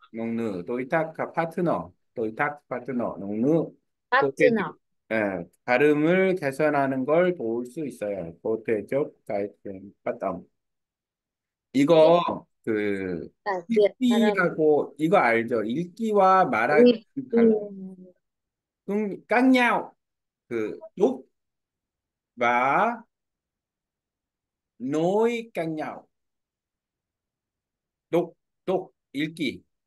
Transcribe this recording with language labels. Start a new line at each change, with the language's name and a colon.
Vietnamese: ngôn ngữ đối tác partner đối tác partner ngôn ngữ có thể
English: partner.
Korean: 예 발음을 개선하는 걸 도울 수 있어요.
Vietnamese: 보태적 cải thiện phát âm.
Korean: 이거 그 읽기라고 이거 알죠? 읽기와 말하기 달라. 깡냐오 그 독과 노이 깡냐오 독독 읽기.